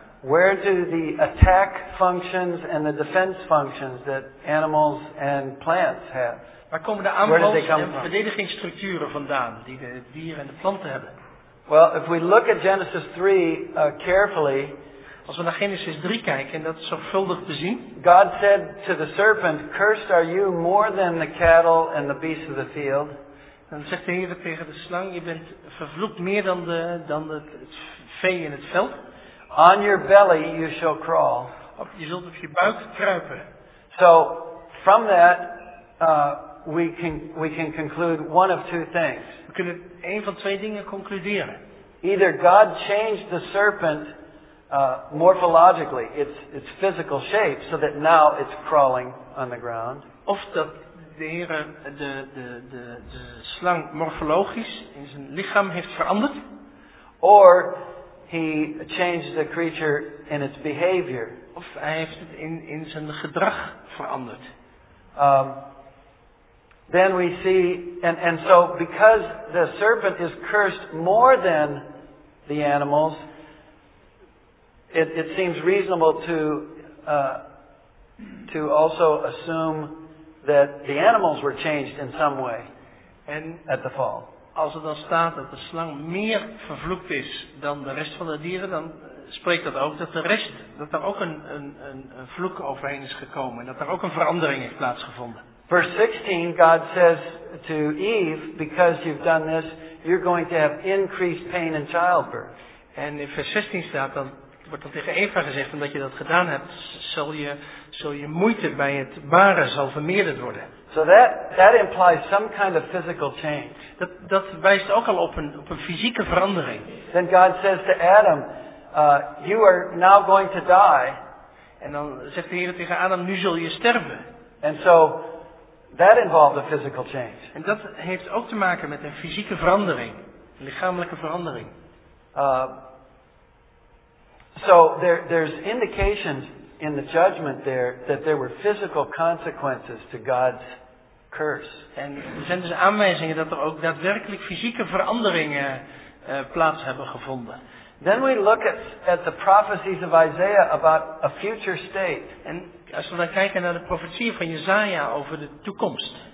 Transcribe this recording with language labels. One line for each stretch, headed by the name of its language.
English: Where do the attack functions and the defense functions that animals and plants have?
Dutch: Waar komen de aanvals en verdedigingsstructuren vandaan die de dieren en de planten hebben?
English: Well, if we look at Genesis 3 carefully,
Dutch: als we naar Genesis 3 kijken en dat zorgvuldig bezien,
English: God said to the serpent, "Cursed are you more than the cattle and the beasts of the field."
Dutch: Dan zegt de Heer tegen de slang, je bent vervloekt meer dan het vee in het veld.
English: On your belly you shall crawl.
Dutch: Je zult op je buik kruipen.
English: So from that we can conclude one of two things.
Dutch: We kunnen één van twee dingen concluderen.
English: Either God changed the serpent morphologically, its physical shape, so that now it's crawling on the ground.
Dutch: Of dat de Heer de slang morfologisch in zijn lichaam heeft veranderd.
English: Or he changed the creature in its behavior.
Dutch: Of hij heeft het in zijn gedrag veranderd.
English: Then we see, and so because the serpent is cursed more than the animals, it seems reasonable to also assume that the animals were changed in some way at the fall.
Dutch: Als er dan staat dat de slang meer vervloekt is dan de rest van de dieren, dan spreekt dat ook dat de rest, dat er ook een vloek overheen is gekomen en dat er ook een verandering heeft plaatsgevonden.
English: Verse 16, God says to Eve, because you've done this, you're going to have increased pain in childbirth.
Dutch: En in vers 16 staat, dan wordt dan tegen Eva gezegd, omdat je dat gedaan hebt, zul je moeite bij het baren zal vermeerderd worden.
English: So that implies some kind of physical change.
Dutch: Dat wijst ook al op een fysieke verandering.
English: Then God says to Adam, you are now going to die.
Dutch: En dan zegt de Heer tegen Adam, nu zul je sterven.
English: And so that involved a physical change.
Dutch: En dat heeft ook te maken met een fysieke verandering, een lichamelijke verandering.
English: So there's indications in the judgment there that there were physical consequences to God's curse.
Dutch: En er zijn dus aanwijzingen dat er ook daadwerkelijk fysieke veranderingen plaats hebben gevonden.
English: Then we look at the prophecies of Isaiah about a future state.
Dutch: En als we dan kijken naar de profetieën van Jesaja over de toekomst.